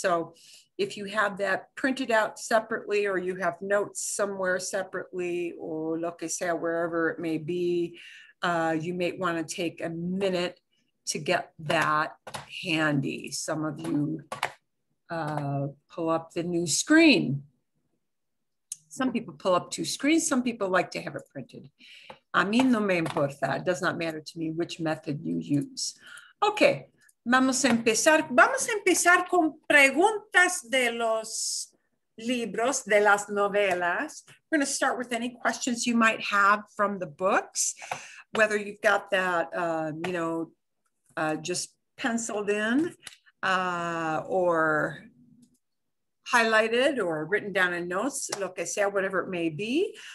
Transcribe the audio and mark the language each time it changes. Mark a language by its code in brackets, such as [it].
[en] So if you have that printed out separately, or you have notes somewhere separately, or [es] lo que sea, [en] wherever it may be, you may want to take a minute to get that handy. Some of you pull up the new screen. Some people pull up two screens. Some people like to have it printed. [es] A mí no me importa. [en] It does not matter to me which method you use. Okay. [es] Vamos a empezar con preguntas de los libros, de las novelas. [en] We're going to start with any questions you might have from the books, whether you've got that, just penciled in or highlighted or written down in notes, [es] lo que sea, [en] whatever it may be.